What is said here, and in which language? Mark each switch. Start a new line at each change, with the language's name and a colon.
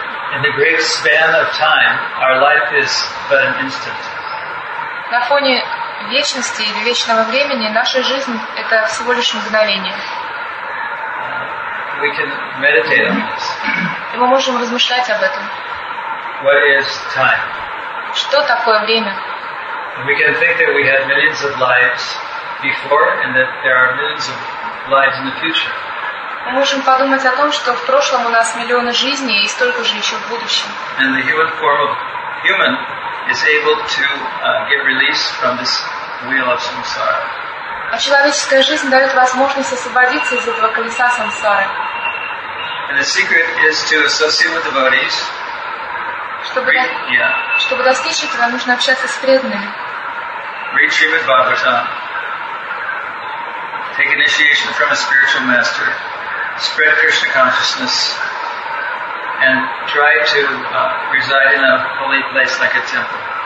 English: In the great span of time, our life is but an instant.
Russian: На фоне вечности или вечного времени наша жизнь — это всего лишь мгновение.
English: We can meditate on this.
Russian: И мы можем размышлять об этом.
English: What is time?
Russian: Что такое время?
English: We can think that we had millions of lives before and that there are millions of lives in the future.
Russian: Мы можем подумать о том, что в прошлом у нас миллионы жизней и столько же еще в будущем.
English: And the human form of human is able to get released from this wheel of samsara.
Russian: А человеческая жизнь дает возможность освободиться из этого колеса самсары.
English: And the secret is to associate with devotees.
Russian: Чтобы достичь этого, нужно общаться с преданными.
English: Read Srimad Bhagavatam. Take initiation from a spiritual master. Spread Krishna consciousness. And try to reside in a holy place like a temple.